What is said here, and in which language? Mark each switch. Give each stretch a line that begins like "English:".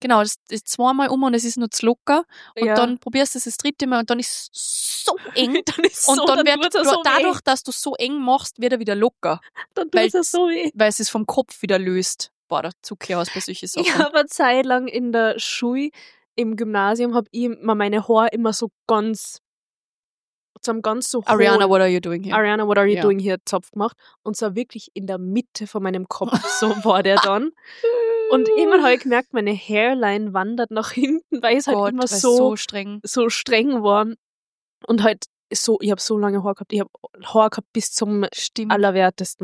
German: Das ist zweimal um und es ist nur zu locker. Und dann probierst du das dritte Mal und dann ist es so eng. Dadurch, dass du so eng machst, wird er wieder locker. Dann tut es so weh. Weil es ist vom Kopf wieder löst. Boah, da zuck ich aus bei solchen Sachen. Ich habe eine Zeit lang in der Schule, im Gymnasium, habe ich immer meine Haare immer so ganz zu einem ganz so hohen
English: Ariana, what are you doing here? Ariana, what are you doing here?
German: Zopf gemacht. Und zwar wirklich in der Mitte von meinem Kopf. So war der dann. Und immer habe ich gemerkt, meine Hairline wandert nach hinten, weil es halt Gott, immer so streng war. Und halt so, ich habe so lange Haare gehabt. Ich habe Haare gehabt bis zum Allerwertesten.